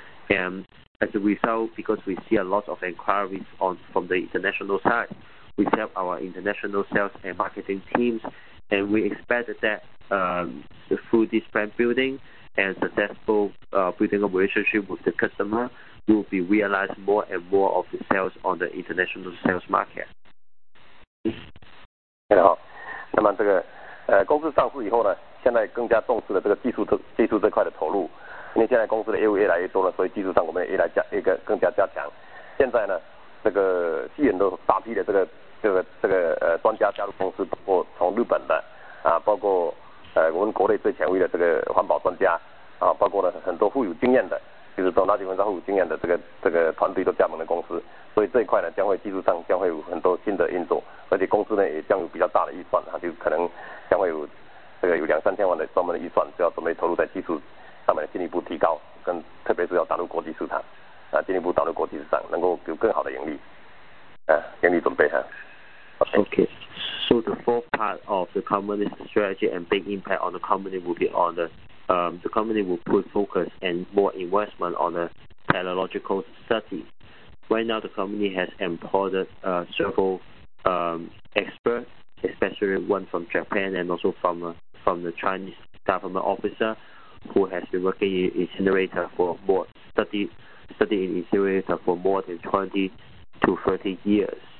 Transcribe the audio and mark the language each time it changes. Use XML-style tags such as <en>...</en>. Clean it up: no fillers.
<en>And as a result, because we see a lot of inquiries from the international side, we have our international sales and marketing teams, and we expect that through this brand building and successful building a relationship with the customer, we will be realizing more and more of the sales on the international sales market.</en> <zh>你好，那么这个公司上市以后呢，现在更加重视了这个技术这块的投入，因为现在公司的业务越来越多了，所以技术上我们也更加加强。现在呢，这个吸引了大批的这个专家加入公司，包括从日本的，包括我们国内最权威的这个环保专家啊，包括了很多富有经验的，就是从垃圾焚烧富有经验的这个团队都加盟的公司，所以这一块呢将会技术上将会有很多新的运作，而且公司呢也将有比较大的预算，它就可能将会有这个有两三千万的专门的预算，就要准备投入在技术上面的进一步提高，跟特别是要打入国际市场啊，进一步打入国际市场，能够有更好的盈利啊，盈利准备哈。</zh> <en>Okay, so the fourth part of the company's strategy and big impact on the company will be on the company will put focus and more investment on the technological study. Right now, the company has employed several experts, especially one from Japan and also from the Chinese government officer who has been working in incinerator for more study in incinerator for more than 20 to 30 years.</en>